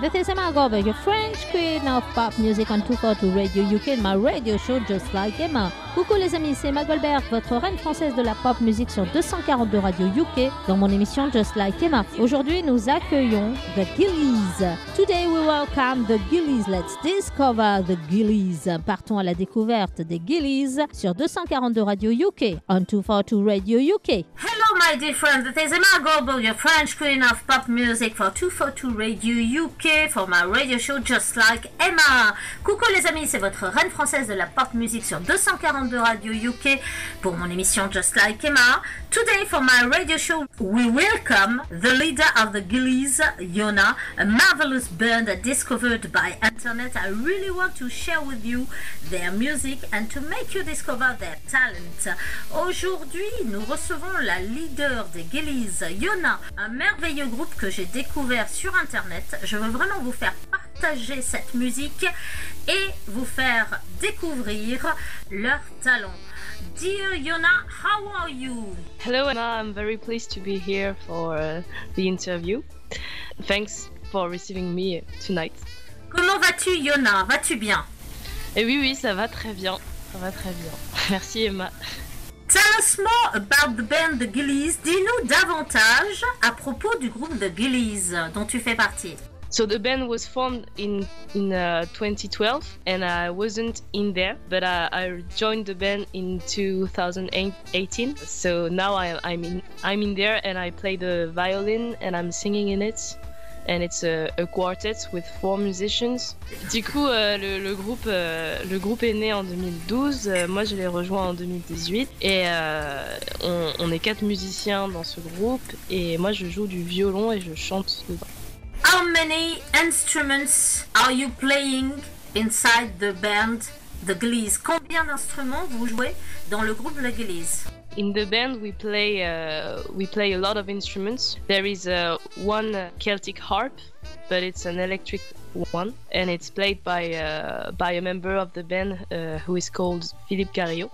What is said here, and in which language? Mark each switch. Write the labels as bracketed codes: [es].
[en] This is Emma Gobbe, your French queen of pop music on 242 Radio UK, my radio show just like Emma. [fr] Coucou les amis, c'est Emma Goldberg, votre reine française de la pop music sur 242 Radio UK, dans mon émission Just Like Emma. Aujourd'hui, nous accueillons The Gillies. [en] Today we welcome The Gillies. Let's discover The Gillies. [fr] Partons à la découverte des Gillies sur 242 Radio UK, on 242 Radio UK. [en] Hello my dear friends, this is Emma Goldberg, your French queen of pop music for 242 Radio UK, for my radio show Just Like Emma. [fr] Coucou les amis, c'est votre reine française de la pop music sur 242 de Radio UK pour mon émission Just Like Emma. [en] Today for my radio show, we welcome the leader of the Gillies, Yona, a marvelous band discovered by internet. I really want to share with you their music and to make you discover their talent. [fr] Aujourd'hui, nous recevons la leader des Gillies, Yona, un merveilleux groupe que j'ai découvert sur internet. Je veux vraiment vous faire partager cette musique et vous faire découvrir leur talent. [en] Dear Yona, how are you? Hello Emma, I'm very pleased to be here for the interview. Thanks for receiving me tonight. [fr] Comment vas-tu Yona? Vas-tu bien? Eh oui, oui, ça va très bien. Ça va très bien. Merci Emma. [en] Tell us more about the band The Gillies. [fr] Dis-nous davantage à propos du groupe The Gillies dont tu fais partie. [en] So the band was formed in 2012 and I wasn't in there, but I joined the band in 2018. So now I'm in there and I play the violin and I'm singing in it. And it's a quartet with four musicians. [fr] Du coup, le groupe est né en 2012. Moi, je l'ai rejoint en 2018. Et on est quatre musiciens dans ce groupe. Et moi, je joue du violon et je chante dedans. [en] How many instruments are you playing inside the band The Gillies? [fr] Combien d'instruments vous jouez dans le groupe The Gillies? [en] In the band we play a lot of instruments. There is one Celtic harp, but it's an electric one and it's played by a member of the band who is called Philippe Carillo.